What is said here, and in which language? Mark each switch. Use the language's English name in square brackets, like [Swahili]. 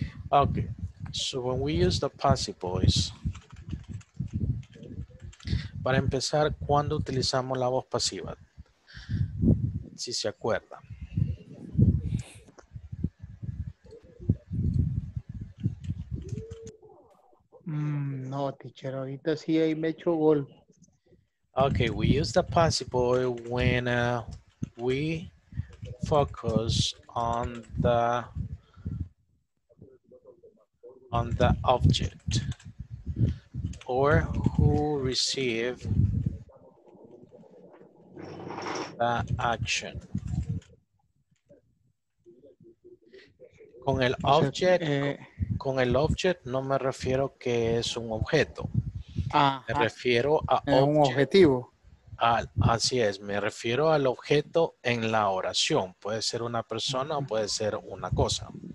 [English] Okay, so when we use the passive voice, [Spanish] para empezar, ¿cuándo utilizamos la voz pasiva? Si se acuerda. No, teacher, ahorita sí ahí me echo gol. [English] Okay, we use the passive voice when we focus on the object or who receive the action. [Spanish] Con el object, con el object no me refiero que es un objeto. Ajá. Me refiero a object, un objetivo. Así es, me refiero al objeto en la oración. Puede ser una persona o puede ser una cosa.